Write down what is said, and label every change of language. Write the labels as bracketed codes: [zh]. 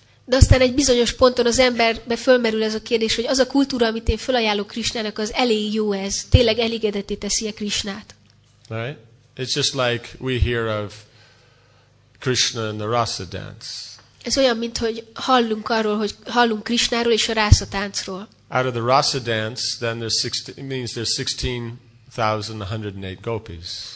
[hu] De aztán egy bizonyos ponton az emberbe fölmerül ez a kérdés, hogy az a kultúra, amit én felajánlok Krisnának, az elég jó ez? Tényleg elégedetté teszi-e Krisnát? [en] Right? It's just like we hear of Krishna and the Rasa dance. [hu] Ez olyan, mint hogy hallunk arról, hogy hallunk Krisnáról és a Rasa táncról. [en] Out of the Rasa dance, then there's 16, it means there's 16,108 gopis.